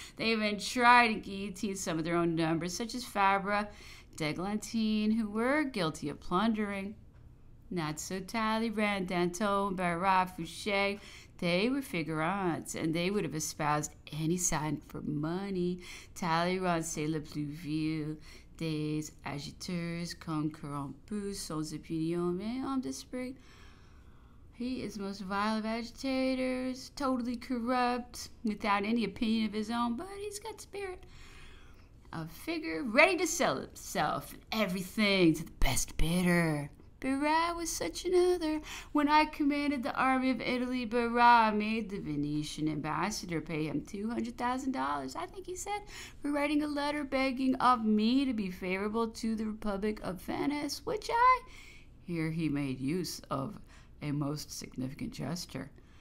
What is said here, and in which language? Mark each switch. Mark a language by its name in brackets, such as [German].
[English] They even tried to guillotine some of their own numbers, such as Fabre, d'Eglantine, who were guilty of plundering. Not so Talleyrand, Danton, Barat, Fouché. They were figurants, and they would have espoused any sign for money. Talleyrand, [French] c'est le plus vieux. Des agiteurs comme corrompus sans opinion, mais hommes d'esprit. [English] He is the most vile of agitators, totally corrupt, without any opinion of his own, but he's got spirit. A figure ready to sell himself and everything to the best bidder. Barat was such another. When I commanded the army of Italy, Barat made the Venetian ambassador pay him $200,000, I think he said, for writing a letter begging of me to be favorable to the Republic of Venice, which I, here he made use of a most significant gesture.